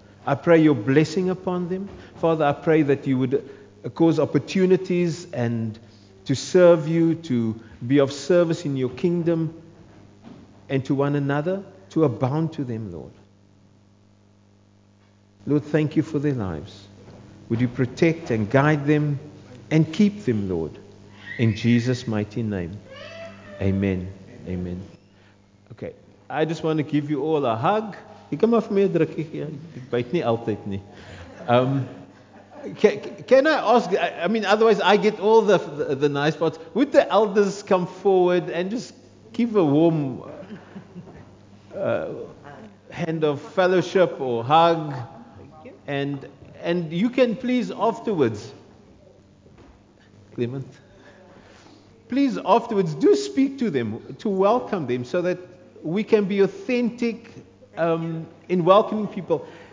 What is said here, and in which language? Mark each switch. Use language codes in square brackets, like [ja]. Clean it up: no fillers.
[en] I pray your blessing upon them. Father, I pray that you would cause opportunities and to serve you, to be of service in your kingdom and to one another, to abound to them, Lord. Lord, thank you for their lives. Would you protect and guide them and keep them, Lord, in Jesus' mighty name. Amen. Amen. Okay, I just want to give you all a hug. [af] Jy kom af my drukkie gee, dit byt nie altyd nie. [en] Can I ask, I mean, otherwise I get all the nice parts. Would the elders come forward and just give a warm hand of fellowship or hug? And you can please afterwards, Clement, please afterwards do speak to them, to welcome them so that we can be authentic in welcoming people.